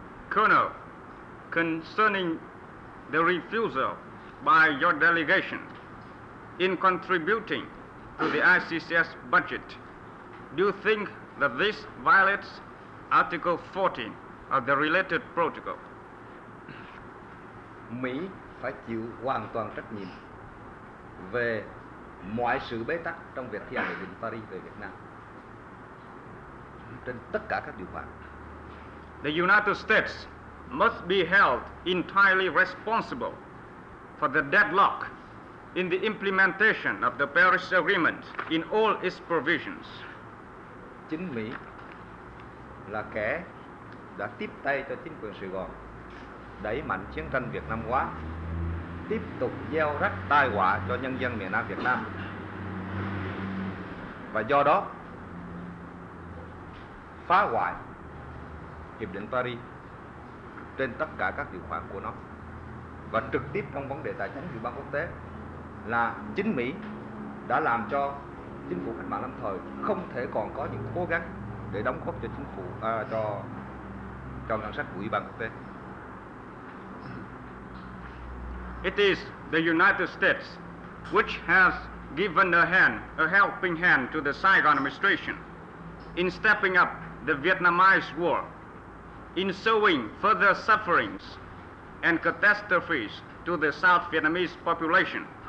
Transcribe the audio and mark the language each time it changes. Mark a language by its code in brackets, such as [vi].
[en] Colonel, concerning the refusal by your delegation in contributing to the ICCS budget, do you think that this violates Article 14 of the related protocol? [vi] Mỹ phải chịu hoàn toàn trách nhiệm về mọi sự bế tắc trong việc thi hành hiệp định Paris về Việt Nam trên tất cả các điều khoản. [en] The United States must be held entirely responsible for the deadlock in the implementation of the Paris Agreement in all its provisions. [vi] Chính Mỹ là kẻ đã tiếp tay cho chính quyền Sài Gòn đẩy mạnh chiến tranh Việt Nam hóa, tiếp tục gieo rắc tai họa cho nhân dân miền Nam Việt Nam. Và do đó phá hoại Hiệp định Paris trên tất cả các điều khoản của nó. Và trực tiếp trong vấn đề tài chính dự báo quốc tế là chính Mỹ đã làm cho chính phủ cách mạng lâm thời không thể còn có những cố gắng để đóng góp cho chính phủ cho ngân sách của Ủy ban quốc tế. [en] It is the United States which has given a helping hand to the Saigon administration in stepping up the Vietnamese war, in sowing further sufferings and catastrophes to the South Vietnamese population,